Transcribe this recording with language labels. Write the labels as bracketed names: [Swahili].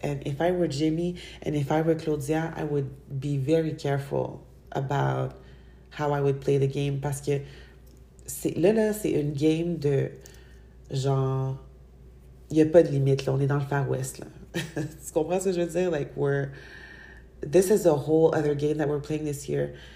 [English] And if I were Jimmy and if I were Claudia, I would be very careful about how I would play the game. [French] Parce que là, c'est une game de genre, il n'y a pas de limite, là. On est dans le Far West, là. Tu comprends ce que je veux dire? [English] Like, this is a whole other game that we're playing this year.